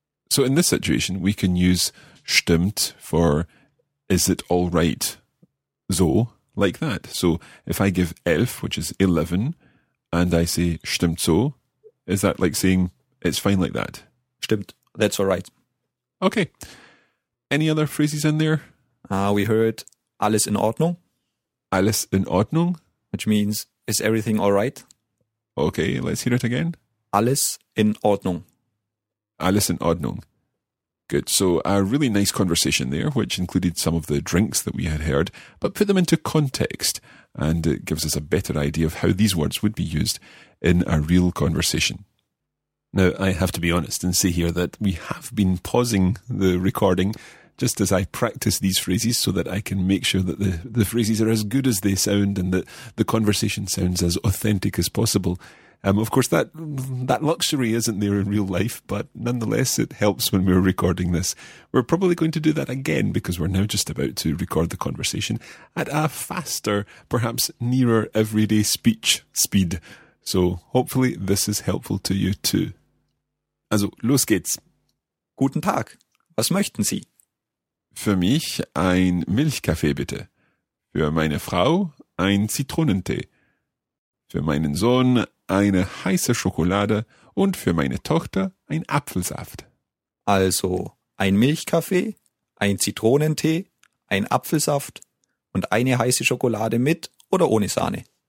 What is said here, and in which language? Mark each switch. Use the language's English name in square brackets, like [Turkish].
[English] So in this situation, we can use stimmt for is it all right, so, like that. So if I give 11, which is 11, and I say [German] stimmt so, [English] is that like saying it's fine like that? Stimmt, that's all right. Okay. Any other phrases in there? We heard [German] alles in Ordnung. Alles in Ordnung? [English] Which means, is everything all right? Okay, let's hear it again. [German] Alles in Ordnung. Alles in Ordnung. Good. [English] So a really nice conversation there, which included some of the drinks that we had heard, but put them into context, and it gives us a better idea of how these words would be used in a real conversation. Now, I have to be honest and say here that we have been pausing the recording just as I practice these phrases so that I can make sure that the phrases are as good as they sound and that the conversation sounds as authentic as possible. Of course, that luxury isn't there in real life, but nonetheless, it helps when we're recording this. We're probably going to do that again because we're now just about to record the conversation at a faster, perhaps nearer everyday speech speed. So hopefully this is helpful to you too. [German] Also, los geht's. Guten Tag. Was möchten Sie? Für mich ein Milchkaffee, bitte. Für meine Frau ein Zitronentee. Für meinen Sohn eine heiße Schokolade und für meine Tochter ein Apfelsaft. Also ein Milchkaffee, ein Zitronentee, ein Apfelsaft und eine heiße Schokolade mit oder ohne Sahne?